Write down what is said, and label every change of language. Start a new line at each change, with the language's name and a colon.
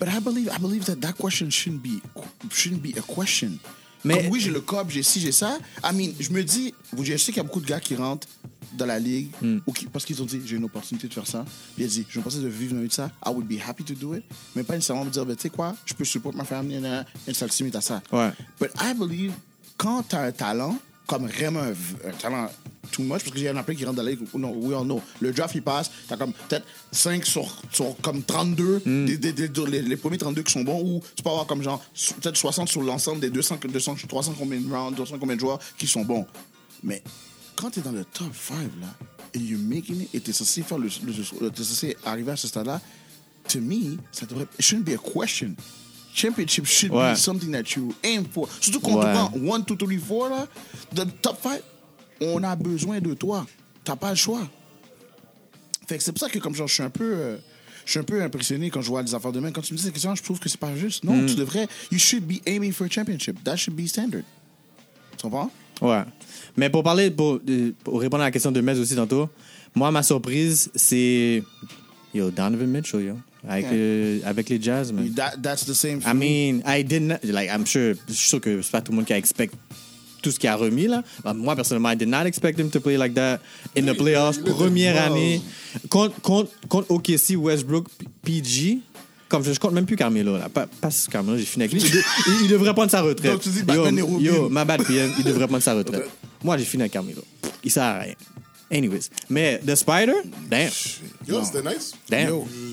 English: But I believe that question shouldn't be a question.
French: Mais, comme, oui, j'ai le cas, j'ai ci, j'ai ça. I mean, je me dis, je sais qu'il y a beaucoup de gars qui rentrent dans la ligue parce qu'ils ont dit j'ai une opportunité de faire ça, puis ils ont dit je pensais de vivre avec ça,
English: I would be happy to do it,
French: mais pas nécessairement me dire tu sais quoi, je peux support ma famille et ça le limite à ça.
English: But I believe
French: quand t'as un talent comme vraiment un talent too much, parce que j'ai un appel qui rentre dans la ligue,
English: we all know
French: le draft il passe, t'as comme peut-être 5 sur comme 32 les premiers 32 qui sont bons, ou tu peux avoir comme genre peut-être 60 sur l'ensemble des 200 combien de joueurs qui sont bons. Mais quand t'es dans le top 5 là, et you're making it, et t'es censé faire t'es censé arriver à ce stade là, to me, ça devrait,
English: it shouldn't be a question. championship should be something that you aim for.
French: Surtout quand tu prends 1, 2, 3, 4, là, the top 5, on a besoin de toi. T'as pas le choix. Fait que c'est pour ça que comme genre, je suis un peu impressionné quand je vois les affaires de main. Quand tu me dis ces questions, je trouve que c'est pas juste. Non, tu devrais...
English: You should be aiming for a championship. That should be standard.
French: Tu comprends? Ouais. Mais pour parler, pour répondre à la question de Mez aussi tantôt, moi, ma surprise, c'est... Yo, Donovan Mitchell, yo. Avec les Jazz, man.
English: That's the same for me. I mean, I did not...
French: Like, je suis sûr que c'est pas tout le monde qui a expect tout ce qu'il a remis, là.
English: Moi, personnellement, I did not expect him to play like that in the playoffs,
French: première année. Contre OKC, Westbrook, PG... Comme je compte même plus Carmelo là, pas Carmelo, j'ai fini avec lui. Il devrait prendre sa retraite. Donc, tu dis, yo, ma bad PM, il devrait prendre sa retraite. Okay. Moi, j'ai fini avec Carmelo. Il sert à rien.
English: Anyways, mais The Spider, damn.
French: Yo, c'était nice.
English: Damn. Yo.